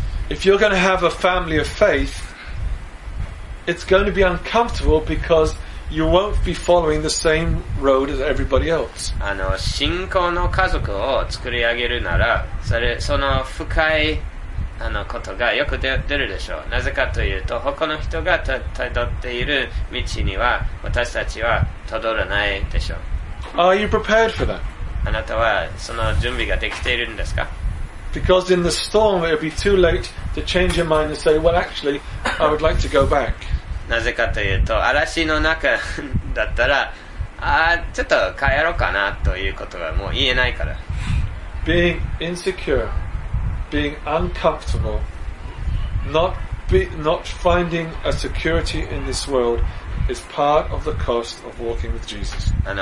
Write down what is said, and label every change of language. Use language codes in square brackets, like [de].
[en] If you're going to have a family of faith, it's going to be uncomfortable because you won't be following the same road as everybody else. [ja] 信仰の家族を作り上げるなら、それその深いことがよく出るでしょう。なぜかというと他の人がたどっている道には私たちはたどらないでしょう。 [en] Are you prepared for that? [ja] あなたはその準備ができているんですか? [en] Because in the storm it would be too late to change your mind and say, well actually I would like to go back. [ja] なぜかというと嵐の中だったらちょっと帰ろうかなということはもう言えないから。 [en] Being insecureBeing uncomfortable, not finding a security in this world is part of the cost of walking with Jesus.